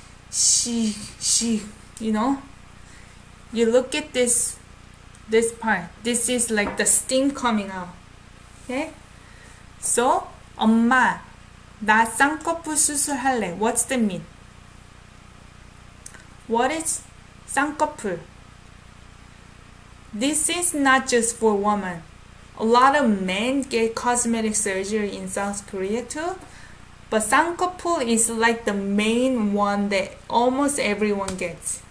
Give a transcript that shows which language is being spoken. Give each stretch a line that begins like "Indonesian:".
English: She, you know, you look at this part. This is like the steam coming out. Okay? So,
Korean: 엄마, 나 쌍꺼풀 수술할래.
English: What's the mean? What is 쌍꺼풀? This is not just for woman. lot of men get cosmetic surgery in South Korea too. But 쌍꺼풀 is like the main one that almost everyone gets.